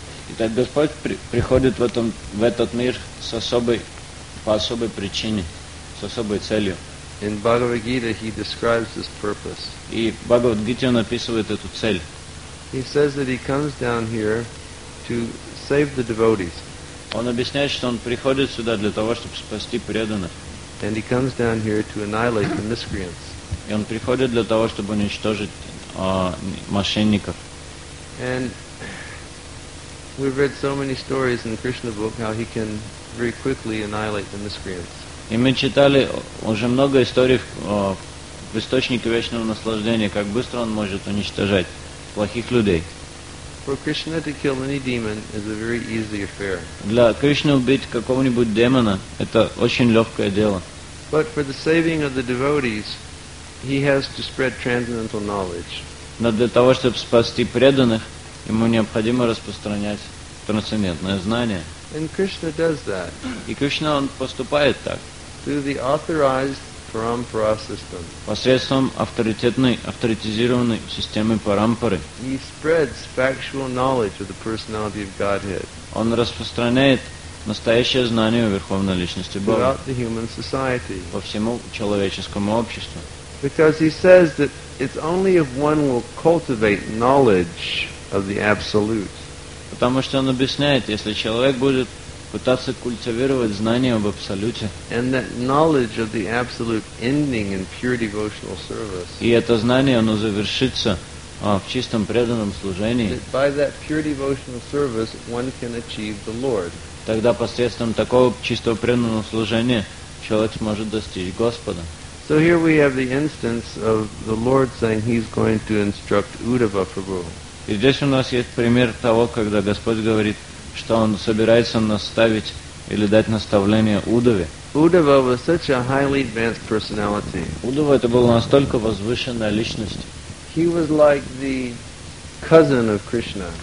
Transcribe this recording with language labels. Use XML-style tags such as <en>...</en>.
<ru>Итак, Господь приходит в этот мир с особой, по особой причине, с особой целью.</ru> <en>In Bhagavad Gita he describes this purpose.</en> <ru>И в Бхагавад Гите он описывает эту цель.</ru> <en>He says that he comes down here to save the devotees.</en> <ru>Он объясняет, что он приходит сюда для того, чтобы спасти преданных.</ru> <en>And he comes down here to annihilate the miscreants.</en> <ru>И он приходит для того, чтобы уничтожить мошенников.</ru> <en>And we've read so many stories in the Krishna book how he can very quickly annihilate the miscreants.</en> <ru>И мы читали уже много историй в источнике вечного наслаждения, как быстро он может уничтожать плохих людей.</ru> <en>For Krishna to kill any demon is a very easy affair.</en> <ru>Для Кришны убить какого-нибудь демона – это очень легкое дело.</ru> <en>But for the saving of the devotees, he has to spread transcendental knowledge.</en> <ru>Но для того, чтобы спасти преданных, ему необходимо распространять трансцендентное знание.</ru> <en>And Krishna does that.</en> <ru>И Кришна, он поступает так.</ru> <en>Through the authorized parampara system.</en> <ru>Посредством авторитизированной системы парампары.</ru> <en>He spreads factual knowledge of the personality of Godhead.</en> <ru>Он распространяет настоящее знание о Верховной Личности Бога.</ru> <en>Throughout the human society.</en> <ru>По всему человеческому обществу.</ru> <en>Because he says that it's only if one will cultivate knowledge of the Absolute.</en> <ru>Потому что он объясняет, если человек будет пытаться культивировать знания об Абсолюте,</ru> <en>and that knowledge of the absolute ending in pure devotional service,</en> <ru>и это знание, оно завершится в чистом преданном служении,</ru> <en>that by that pure devotional service one can achieve the Lord.</en> <ru>Тогда посредством такого чистого преданного служения человек сможет достичь Господа.</ru> <en>So here we have the instance of the Lord saying he's going to instruct Uddhava Prabhu.</en> <ru>И здесь у нас есть пример того, когда Господь говорит, что Он собирается наставить или дать наставление Удаве.</ru> <en>Удава was such a highly advanced personality.</en> <ru>Удава это была настолько возвышенная личность.</ru> <en>He was like the cousin of Krishna.</en>